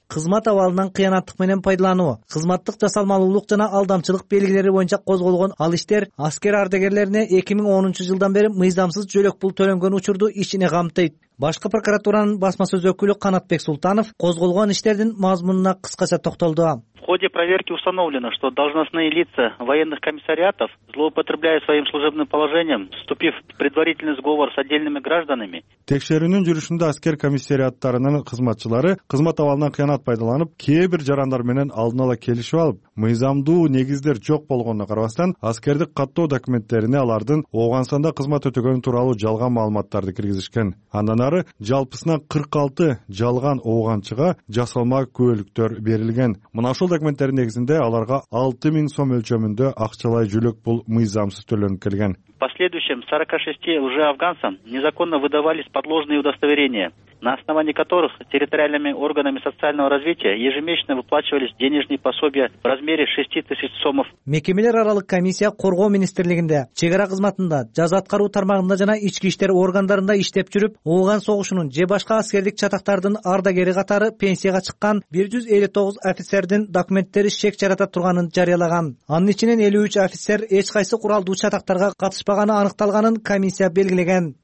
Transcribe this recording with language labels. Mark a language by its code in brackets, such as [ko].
[ky] Кызмат абалынан кыянаттык менен пайдалануу, кызматтык жасалмалуулук жана алдамчылык белгилери боюнча козголгон ал иштер аскер ардагерлерине 2010 жылдан бери мыйзамсыз жөлөк пул төлөнгөн учурду ичине камтыйт. Башкы прокуратуранын басма сөз өкүлү Канатбек Султанов козголгон иштердин мазмунуна кыскача токтолду. [ru] В ходе проверки установлено, что должностные лица военных комиссариатов, злоупотребляя своим служебным положением, вступив в предварительный сговор с отдельными гражданами. [ky] Текшерүүнүн жүрүшүндө аскер комиссариаттарынын кызматчылары кызмат абалынан кыянат пайдаланып, кээ бир жарандар менен алдын ала келишип алып, мыйзамдуу негиздер жок болгонуна карабастан, аскердик каттоо документтерине алардын Ооганстанда кызмат өтөгөнү тууралуу жалган маалыматтарды киргизишкен. Андан ары жалпысынан 46 жалган ооганчыга жасалма күбөлүктөр берилген. Ошол документтердин негизинде аларга 6000 сом өлчөмүндө акчалай жүлөк пул мыйзамсыз төлөнүп келген. [ru] В последующем 46 лжеафганцам незаконно выдавались подложные удостоверения, на основании которых территориальными органами социального развития ежемесячно выплачивались денежные пособия в размере 6000 сомов. [ky] Мекемелер аралык комиссия коргоо министрлигинде, чек ара кызматында, жаза аткаруу тармагында жана ички иштер органдарында иштеп жүрүп, Ооган согушунун же башка аскердик чатактардын ардагери катары пенсияга чыккан 159 офицердин документтери шек жарата турганын жарыялаган. Анын ичинен 53 офицер эч кайсы куралдуу чатактарга катышпаганы аныкталганын комиссия белгилеген.